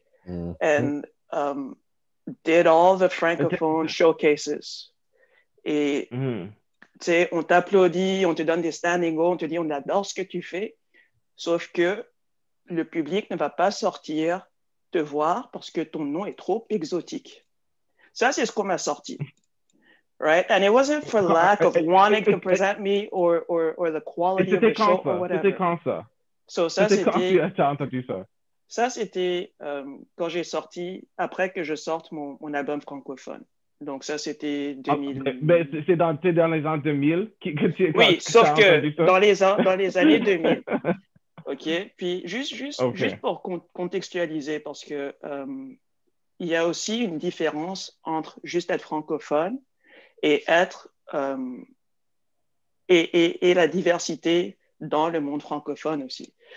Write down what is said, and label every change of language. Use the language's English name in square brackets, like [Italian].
[English] And did all the francophone showcases. [French] Et, tu sais, on t'applaudit, on te donne des standing ovations, on te dit on adore ce que tu fais, sauf que le public ne va pas sortir te voir parce que ton nom est trop exotique. Ça, c'est ce qu'on m'a sorti. [English] Right? And it wasn't for lack of wanting to present me or the quality of the show or whatever. [French] C'était quand ça? So, ça, c'était... T'as entendu ça? Ça, c'était quand j'ai sorti, après que je sorte mon album francophone. Donc ça, c'était 2000. Mais c'est dans les ans 2000 que tu es. Oui, sauf que dans les années 2000. OK. Puis juste pour contextualiser, parce que il y a aussi une différence entre juste être francophone et être et la diversité dans le monde francophone aussi.